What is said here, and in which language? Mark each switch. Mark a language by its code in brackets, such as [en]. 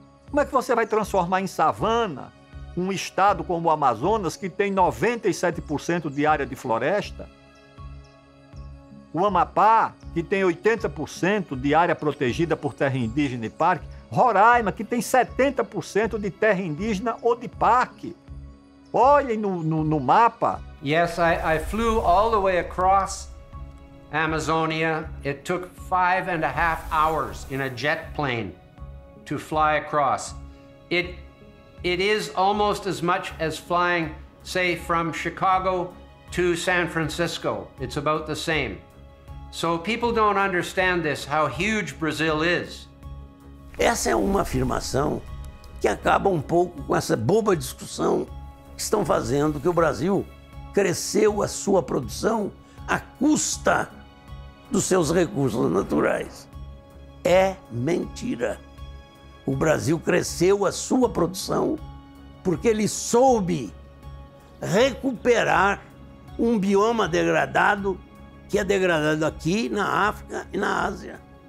[pt] Como é que você vai transformar em savana um estado como o Amazonas, que tem 97% de área de floresta? O Amapá, que tem 80% de área protegida por terra indígena e parque? Roraima, que tem 70% de terra indígena ou de parque? Olhem no mapa. [en] Yes, I flew all the way across Amazonia. It took 5.5 hours in a jet plane to fly across. It is almost as much as flying, say, from Chicago to San Francisco. It's about the same. So people don't understand this, how huge Brazil is. [pt] Essa é uma afirmação que acaba um pouco com essa boba discussão que estão fazendo que o Brasil cresceu a sua produção à custa dos seus recursos naturais. É mentira. O Brasil cresceu a sua produção porque ele soube recuperar um bioma degradado que é degradado aqui na África e na Ásia.